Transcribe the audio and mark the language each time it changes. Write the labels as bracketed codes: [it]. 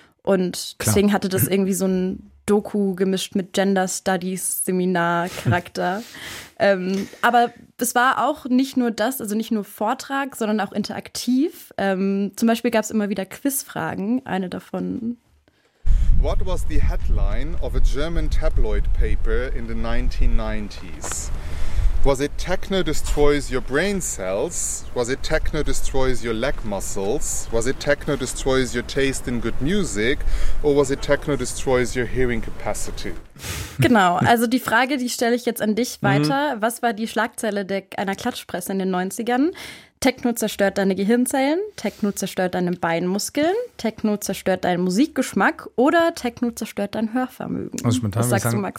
[de] Und deswegen hatte das irgendwie so ein Doku gemischt mit Gender-Studies-Seminar-Charakter. aber es war auch nicht nur das, also nicht nur Vortrag, sondern auch interaktiv. Zum Beispiel gab es immer wieder Quizfragen, eine davon. [en] What was the headline of a German tabloid paper in the 1990s? Was it techno destroys your brain cells? Was it techno destroys your leg muscles? Was it techno destroys your taste in good music? Or was it techno destroys your hearing capacity? [de] Genau, also die Frage, die stelle ich jetzt an dich weiter. Mhm. Was war die Schlagzeile einer Klatschpresse in den 90ern? Techno zerstört deine Gehirnzellen, Techno zerstört deine Beinmuskeln, Techno zerstört deinen Musikgeschmack oder Techno zerstört dein Hörvermögen. Also spontan würde ich sagen, Max?